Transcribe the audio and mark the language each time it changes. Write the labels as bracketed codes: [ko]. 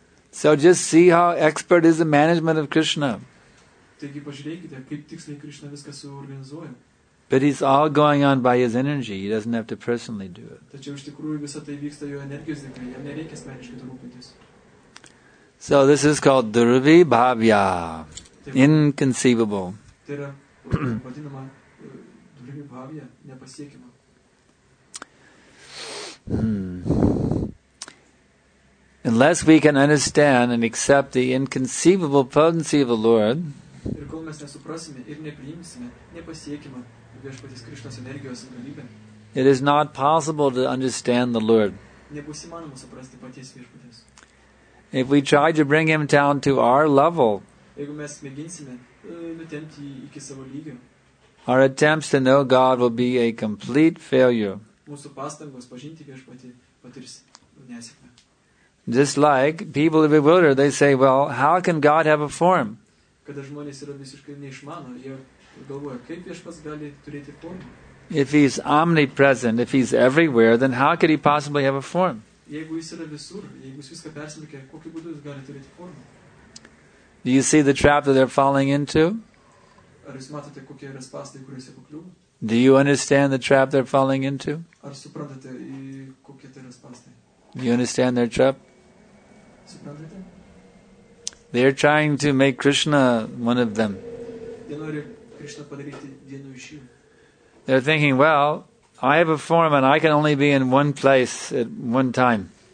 [en] So just see how expert is the management of Krishna. [lt] Taigi pažiūrėkite, kaip tiksliai Krishna viską suorganizuoja. [en] But it's all going on by his energy. He doesn't have to personally do it. [lt] Tačiau iš tikrųjų visa tai vyksta jo energijos dėka. Jam nereikia asmeniškai rūpintis. [en] So this is called Dhruvi Bhavya. Inconceivable. [lt] Tai yra vadinama Dhruvi Bhavya, nepasiekima. [en] Unless we can understand and accept the inconceivable potency of the Lord, [lt] ir kol mes nesuprasime ir nepriimsime, nepasiekime Viešpaties Krishnos energijos galybę, [en] it is not possible to understand the Lord. [lt] Nebus įmanoma suprasti paties Viešpaties. [en] If we try to bring him down to our level, [lt] jeigu mes mėginsime nutempti jį iki savo lygio, [en] our attempts to know God will be a complete failure. [lt] Mūsų pastangos pažinti Viešpatį patirs nesėkmę. [en] Just like people are bewildered, they say, well, how can God have a form? [lt] Kada žmonės yra visiškai neišmano, jie galvoja, kaip Viešpats gali turėti formą? [en] If he's omnipresent, if he's everywhere, then how could he possibly have a form? [lt] Jeigu jis yra visur, jeigu jis viską persmelkia, kokiu būdu jis gali turėti formą? [en] Do you see the trap that they're falling into? [lt] Ar jūs matote, kokie yra spąstai, kuriuos jie pakliuvo? [en] Do you understand the trap they're falling into? [lt] Ar suprantate, kokie tai yra spąstai? [en] Do you understand their trap? [lt] Suprantate? [en] They are trying to make Krishna one of them. They are thinking, well, I have a form and I can only be in one place at one time.